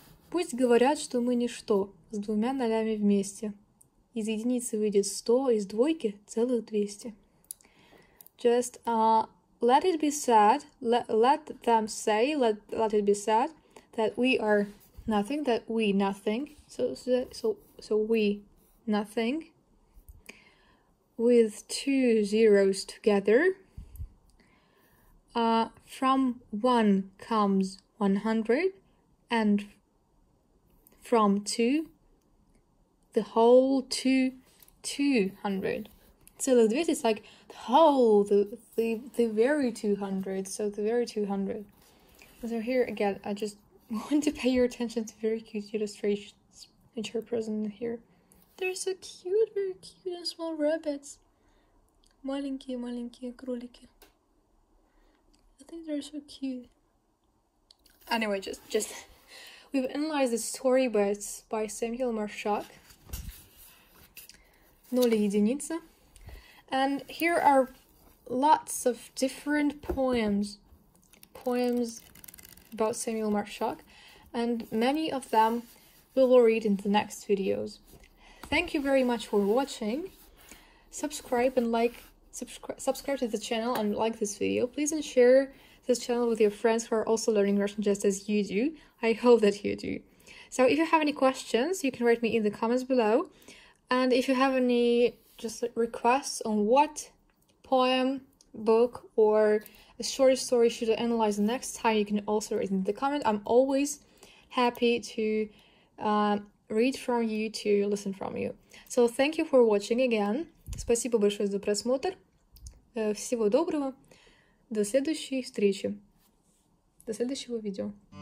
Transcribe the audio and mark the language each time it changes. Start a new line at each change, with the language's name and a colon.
Russian: Пусть говорят, что мы ничто, с двумя нолями вместе. Из единицы выйдет 100, из двойки целых 200.
English: Just let it be said, let them say that we are nothing, that we nothing. So we nothing. With two zeros together, from one comes 100, and from two, the whole 200.
Russian: Целых 200
English: is like the whole, the very 200. So the very 200. So here again, I just want to pay your attention to very cute illustrations which are present here. They're so cute, very cute and small rabbits.
Russian: Маленькие, маленькие кролики.
English: I think they're so cute. Anyway, just we've analyzed the story, but it's by Samuel Marshak.
Russian: Ноль единица.
English: And here are lots of different poems about Samuel Marshak, and many of them we will read in the next videos. Thank you very much for watching. Subscribe to the channel and like this video. Please and share this channel with your friends who are also learning Russian just as you do. I hope that you do. So if you have any questions, you can write me in the comments below. And if you have any just requests on what poem, book, or a short story should I analyze the next time, you can also write in the comment. I'm always happy to read from you, to listen from you. So thank you for watching again.
Russian: Спасибо большое за просмотр. Всего доброго. До следующей встречи. До следующего видео.